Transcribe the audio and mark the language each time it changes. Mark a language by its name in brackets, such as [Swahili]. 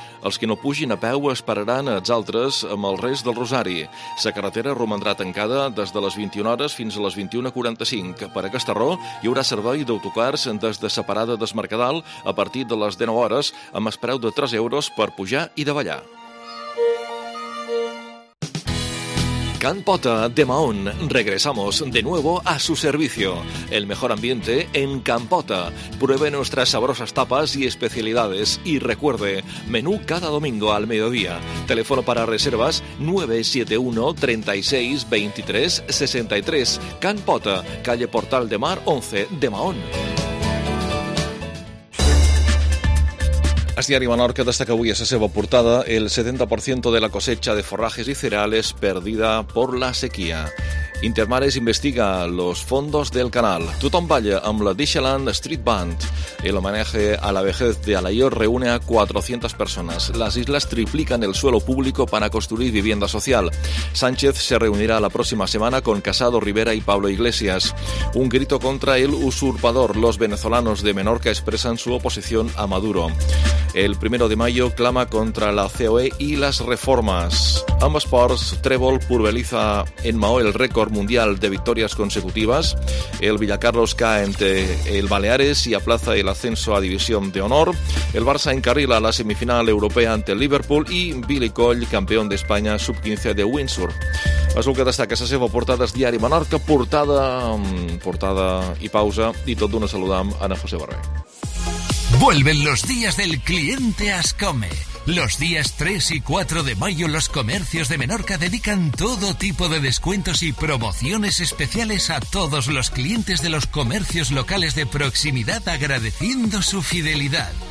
[Catalan] Els que no pugin a peu esperaran els altres amb el rest del rosari. La carretera romandrà tancada des de les 21 hores fins a les 21:45. Per aquesta raó, hi haurà servei d'autocars des de la parada d'Es Mercadal a partir de les 19 hores, amb el preu de 3 euros per pujar i davallar. [Spanish] Can Pota de Mahón. Regresamos de nuevo a su servicio. El mejor ambiente en Can Pota. Pruebe nuestras sabrosas tapas y especialidades. Y recuerde, menú cada domingo al mediodía. Teléfono para reservas 971-36-23-63. Can Pota, calle Portal de Mar 11, de Mahón. [Catalan] El diari Menorca destaca avui a la seva portada el 70% de [Spanish] la cosecha de forrajes i cereales perdida por la sequía. Intermares investiga los fondos del canal. Tothom balla amb la Dixieland Street Band. El homenaje a la vejez de Alaior reúne a 400 personas. Las islas triplican el suelo público para construir vivienda social. Sánchez se reunirá la próxima semana con Casado, Rivera y Pablo Iglesias. Un grito contra el usurpador. Los venezolanos de Menorca expresan su oposición a Maduro. El primero de mayo clama contra la COE y las reformas. Ambas sports, trébol pulveriza en Mahón el récord mundial de victorias consecutivas. El Villacarlos cae entre el Baleares y aplaza el ascenso a división de honor. El Barça encarrila la semifinal europea ante el Liverpool y Billy Coll, campeón de España sub-15 de windsurf. [Catalan] És el que destaca la seva portada al diari Menorca, portada i pausa, i tot d'una saludam a en José Barber. [Spanish] Vuelven los días del cliente Ascome. Los días 3 y 4 de mayo los comercios de Menorca dedican todo tipo de descuentos y promociones especiales a todos los clientes de los comercios locales de proximidad agradeciendo su fidelidad.